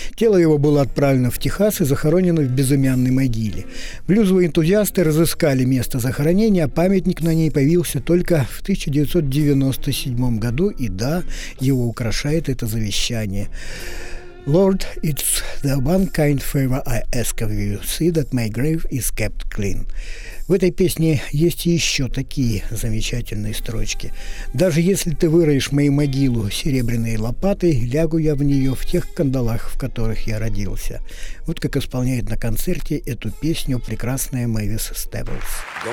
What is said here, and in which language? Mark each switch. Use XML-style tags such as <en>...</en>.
<ru>Тело его было отправлено в Техас и захоронено в безымянной могиле. Блюзовые энтузиасты разыскали место захоронения, а памятник на ней появился только в 1997 году. И да, его украшает это завещание.</ru> <en>Lord, it's the one kind favor I ask of you. See that my grave is kept clean.</en> <ru>В этой песне есть еще такие замечательные строчки. Даже если ты выроешь мою могилу серебряной лопатой, лягу я в нее в тех кандалах, в которых я родился. Вот как исполняет на концерте эту песню прекрасная Мэвис Стеблс.</ru>